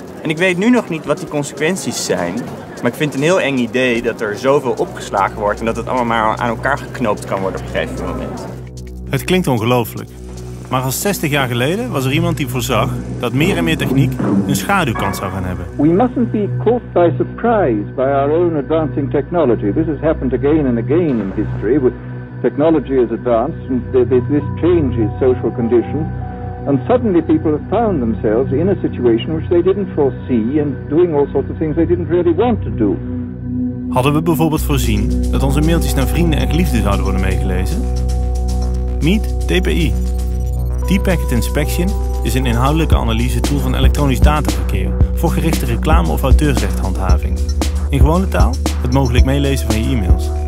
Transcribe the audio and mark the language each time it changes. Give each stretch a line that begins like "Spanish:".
Dutch: En ik weet nu nog niet wat die consequenties zijn, maar ik vind het een heel eng idee dat er zoveel opgeslagen wordt en dat het allemaal maar aan elkaar geknoopt kan worden op een gegeven moment. Het klinkt ongelooflijk, maar al 60 jaar geleden was er iemand die voorzag dat meer en meer techniek een schaduwkant zou gaan hebben.
English: We mustn't be caught by surprise by our own advancing technology. This has happened again and again in history. Technology is advanced and this changes social conditions. And suddenly people have found themselves in a situation which they didn't foresee and doing all sorts of things they didn't really want to do.
Dutch: Hadden we bijvoorbeeld voorzien dat onze mailtjes naar vrienden en geliefden zouden worden meegelezen? Meet DPI. Deep Packet Inspection is een inhoudelijke analyse tool van elektronisch dataverkeer voor gerichte reclame- of auteursrechthandhaving. In gewone taal het mogelijk meelezen van je e-mails.